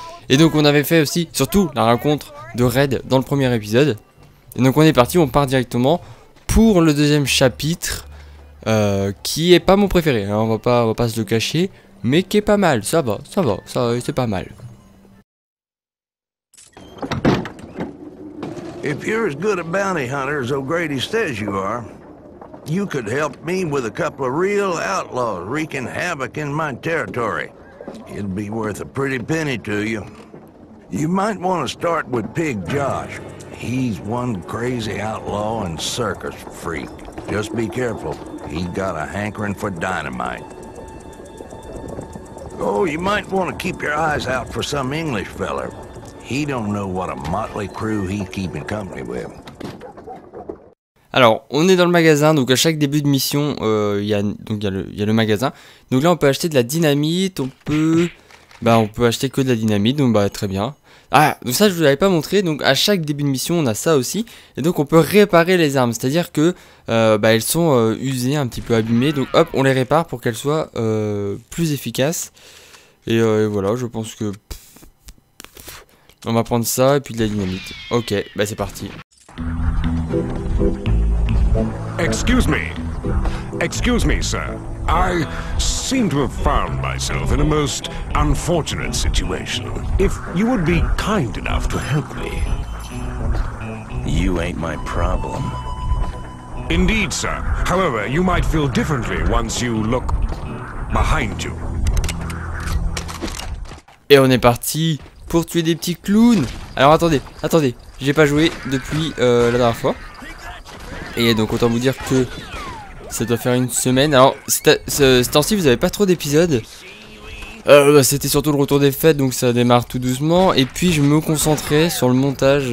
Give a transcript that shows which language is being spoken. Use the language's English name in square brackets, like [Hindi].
[French] Et donc on avait fait aussi, surtout, la rencontre de Red dans le premier épisode. Et donc on est parti, on part directement pour le deuxième chapitre, qui est pas mon préféré, hein, on va pas se le cacher, mais qui est pas mal, ça va, c'est pas mal. [English] If you're as good a bounty hunter as O'Grady says you are, you could help me with a couple of real outlaws wreaking havoc in my territory. It'd be worth a pretty penny to you. You might want to start with Pig Josh. He's one crazy outlaw and circus freak. Just be careful. He got a hankering for dynamite. Oh, you might want to keep your eyes out for some English fella. He don't know what a motley crew he's keeping company with. [French] Alors, on est dans le magasin, donc à chaque début de mission, il y a le magasin. Donc là, on peut acheter de la dynamite, on peut acheter que de la dynamite, donc bah très bien. Ah, donc ça, je vous l'avais pas montré, donc à chaque début de mission, on a ça aussi. Et donc, on peut réparer les armes, c'est-à-dire que elles sont usées, un petit peu abîmées. Donc hop, on les répare pour qu'elles soient plus efficaces. Et voilà, je pense que... On va prendre ça et puis de la dynamite. Ok, bah c'est parti. [English] Excuse me, sir. I seem to have found myself in a most unfortunate situation. If you would be kind enough to help me. You ain't my problem. Indeed, sir. However, you might feel differently once you look behind you. [French] Et on est parti. Pour tuer des petits clowns. Alors attendez, j'ai pas joué depuis la dernière fois. Et donc autant vous dire que ça doit faire une semaine. Alors ce temps-ci vous avez pas trop d'épisodes. C'était surtout le retour des fêtes donc ça démarre tout doucement. Et puis je me concentrais sur le montage.